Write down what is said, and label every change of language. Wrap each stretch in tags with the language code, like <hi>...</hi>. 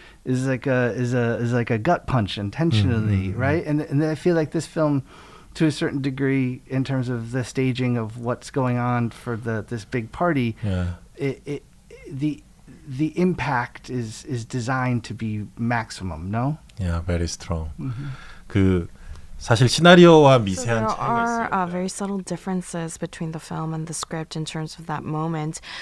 <en>Is like a gut punch intentionally, right? And I feel like this film, to a certain degree, in terms of the staging of what's going on for this big party, the impact is designed to be maximum. No. Yeah, very strong. Mm-hmm.</en> <ko>그 사실 시나리오와 미세한 차이가 있어요.</ko> <en>There are very subtle differences between the film and the script in terms of that moment.</en>